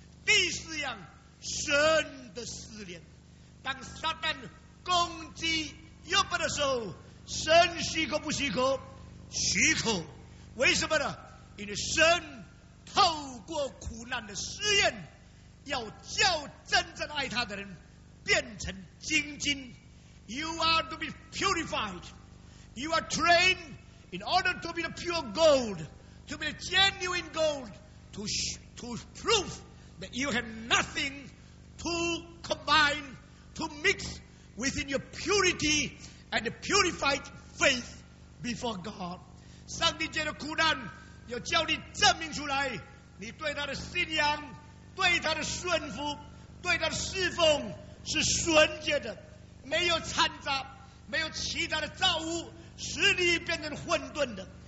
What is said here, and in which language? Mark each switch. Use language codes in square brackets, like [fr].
[zh] 第四样，神的试炼，当撒旦攻击约伯的时候，神许可不许可？许可。为什么呢？因为神透过苦难的试验要叫真正爱他的人变成精进。 [en] You are to be purified, you are trained in order to be the pure gold, to be the genuine gold, to prove that you have nothing to combine, to mix within your purity and the purified faith before God. [zh] 上帝借着苦难要叫你证明出来你对他的信仰，对他的顺服，对他的侍奉是纯洁的，没有掺杂，没有其他的造物使你变成混沌的。